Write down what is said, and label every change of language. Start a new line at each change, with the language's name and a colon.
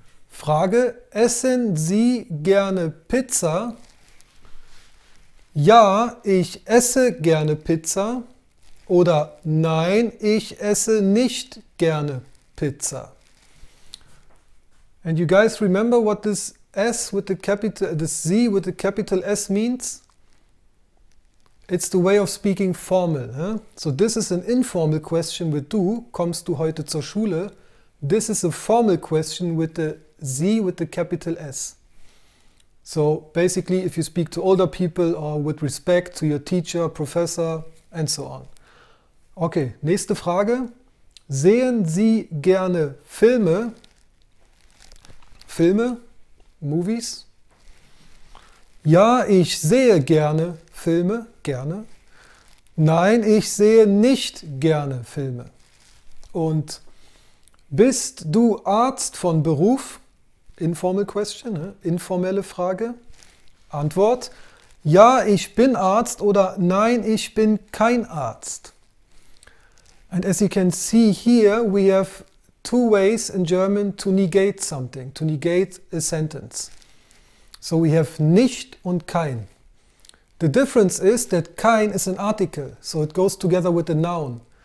German: Frage, essen Sie gerne Pizza? Ja, ich esse gerne Pizza oder nein, ich esse nicht gerne Pizza.
English: And you guys remember what this S with the capital, this Z with the capital S means? It's the way of speaking formal. Huh? So this is an informal question with du.
German: Kommst du heute zur Schule?
English: This is a formal question with the Z with the capital S. So basically, if you speak to older people or with respect to your teacher, professor and so on.
German: Okay, nächste Frage. Sehen Sie gerne Filme? Filme? Movies? Ja, ich sehe gerne Filme, gerne. Nein, ich sehe nicht gerne Filme. Und bist du Arzt von Beruf?
English: Informal question,
German: ne? Informelle Frage. Antwort. Ja, ich bin Arzt oder nein, ich bin kein Arzt.
English: And as you can see here, we have two ways in German to negate something, to negate a sentence. So we have nicht und kein. The difference is that kein is an article, so it goes together with a noun.